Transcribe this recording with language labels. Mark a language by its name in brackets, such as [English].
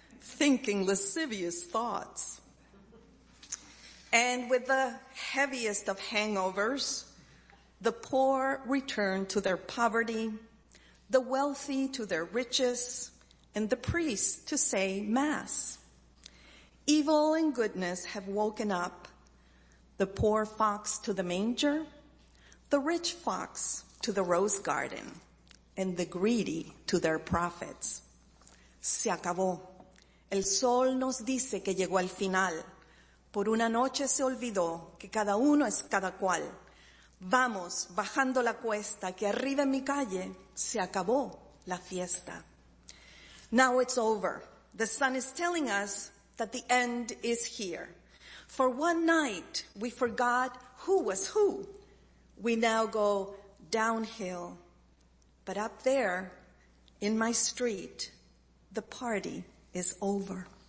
[English] thinking lascivious thoughts. And with the heaviest of hangovers, the poor returned to their poverty, the wealthy to their riches, and the priests to say Mass. Evil and goodness have woken up, the poor fox to the manger, the rich fox to the rose garden, and the greedy to their profits. [Spanish] Se acabó. El sol nos dice que llegó al final. Por una noche se olvidó que cada uno es cada cual. Vamos, bajando la cuesta, que arriba en mi calle se acabó la fiesta. [English] Now it's over. The sun is telling us that the end is here. For one night, we forgot who was who. We now go downhill. But up there, in my street, the party is over.